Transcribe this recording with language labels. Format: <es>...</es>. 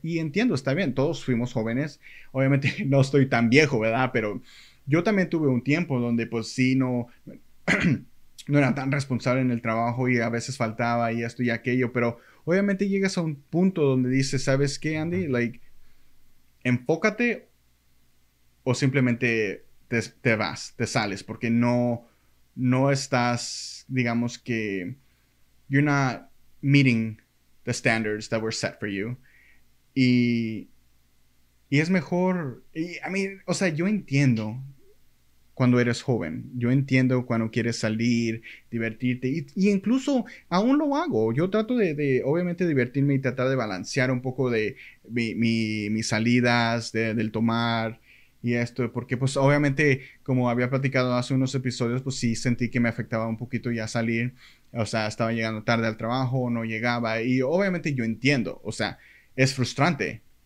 <es>Y entiendo, está bien, todos fuimos jóvenes, obviamente no estoy tan viejo, ¿verdad? Pero yo también tuve un tiempo donde pues sí, no. No era tan responsable en el trabajo y a veces faltaba y esto y aquello, pero obviamente llegas a un punto donde dices, ¿sabes qué, Andy? Like, enfócate o simplemente te vas, te sales, porque no estás, digamos que,</es> <en>you're not meeting the standards that were set for you.</en> <es>Y es mejor, y a mí, o sea, yo entiendo. Cuando eres joven, yo entiendo cuando quieres salir, divertirte, y incluso aún lo hago. Yo trato de obviamente divertirme y tratar de balancear un poco de mis salidas, del tomar y esto, porque pues obviamente, como había platicado hace unos episodios, pues sí sentí que me afectaba un poquito ya salir, o sea, estaba llegando tarde al trabajo, no llegaba, y obviamente yo entiendo, o sea, es frustrante.</es>